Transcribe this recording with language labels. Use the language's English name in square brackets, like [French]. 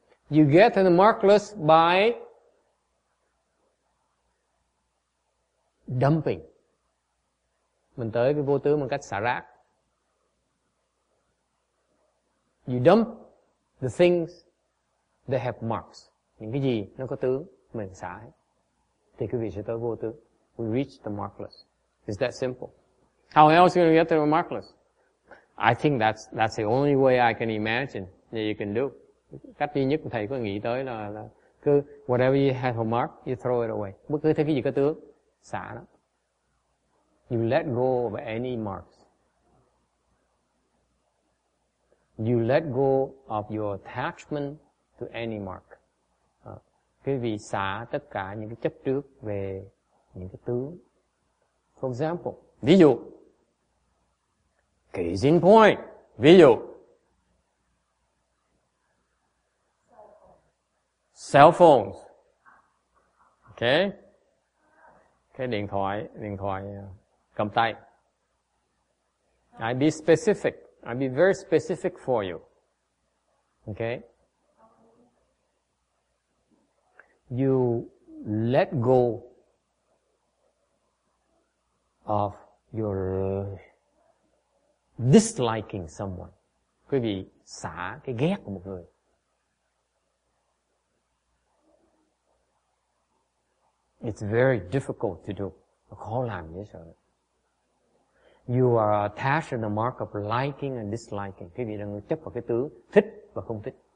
[English] You get to the markless by dumping. [Vietnamese] Mình tới cái vô tướng bằng cách xả rác. [English] You dump the things that have marks. [Vietnamese] Những cái gì nó có tướng, mình xả hết. Thì quý vị sẽ tới vô tướng. [English] we reach the markless. It's that simple. How else are you going to get to the markless? I think that's the only way I can imagine that you can do. [Vietnamese] Cách duy nhất thầy có nghĩ tới là cứ [English] whatever you have a mark, you throw it away. [Vietnamese] Bất cứ thứ gì có tướng, xả nó. [English] You let go of any marks. You let go of your attachment to any mark. [Vietnamese] Quý vị xả tất cả những cái chấp trước về những cái tướng. [English] For example, [Vietnamese] ví dụ, [English] case in point, [Vietnamese] ví dụ, [English] cell phones, okay, [Vietnamese] cái điện thoại cầm tay. [English] I be specific. I'll be very specific for you. Okay? You let go of your disliking someone. [Vietnamese] Quý vị xả cái ghét của một người. [English] It's very difficult to do. [Vietnamese] Khó làm dễ sợ. [English] You are attached to the mark of liking and disliking. [Vietnamese] Quý vị đang chấp vào cái tướng thích và không thích.